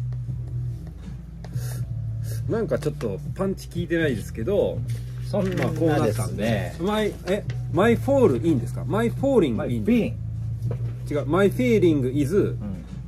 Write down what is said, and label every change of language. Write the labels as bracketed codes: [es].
[en] My feeling is falling in hard place. [ja] なんかちょっとパンチ効いてないですけど、そんなこうなったんですね。 [en] My fall in [ja] ですか。 [en] My falling in、 My feeling、 [ja] 違う、 [en] My feeling is、うん、